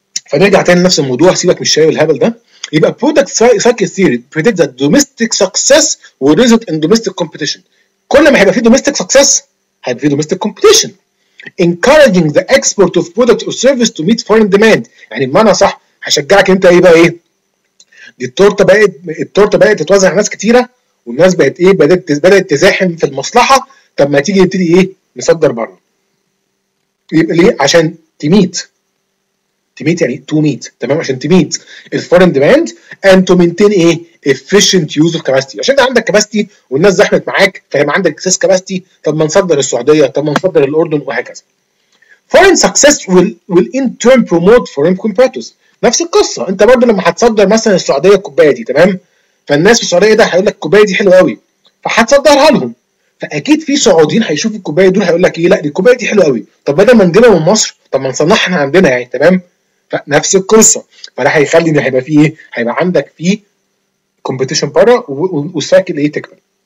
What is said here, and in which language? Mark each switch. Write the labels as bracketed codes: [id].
[ar] فنرجع تاني لنفس الموضوع، سيبك من الشاي والهبل ده. يبقى [en] product cycle theory predicts that domestic success will result in domestic competition. [ar] كل ما هيبقى في domestic success هيبقى في domestic competition. [en] Encouraging the export of product or service to meet foreign demand. [ar] يعني بمعنى صح هشجعك انت ايه بقى ايه؟ دي التورته بقت تتوزع على ناس كتيره، والناس بقت ايه؟ بدات تزاحم في المصلحه، طب ما تيجي نبتدي ايه؟ نصدر بره. يبقى ليه؟ عشان تميت يعني [en] to meet، [ar] تمام؟ عشان تميت [en] الفورين demand and to maintain a efficient use of capacity. [ar] عشان انت عندك capacity والناس زحمت معاك، فهي ما عندك excess capacity، طب ما نصدر السعودية، طب ما نصدر الأردن وهكذا. [en] Foreign success will in turn promote foreign competitors. [ar] نفس القصة، انت برضو لما هتصدر مثلا السعودية الكوباية دي، تمام؟ فالناس في السعودية ده هيقول لك الكوباية دي حلوة قوي، فهتصدرها لهم، فاكيد في سعوديين هيشوفوا الكوبايه دول هيقول لك ايه، لا دي الكوبايه دي حلوه قوي، طب بدل ما نجيبها من مصر طب ما نصنعها احنا عندنا يعني، تمام؟ فنفس القصه، فده هيخلي ان هيبقى فيه ايه، هيبقى عندك فيه كومبيتيشن بره والسايكل ايه تكبر.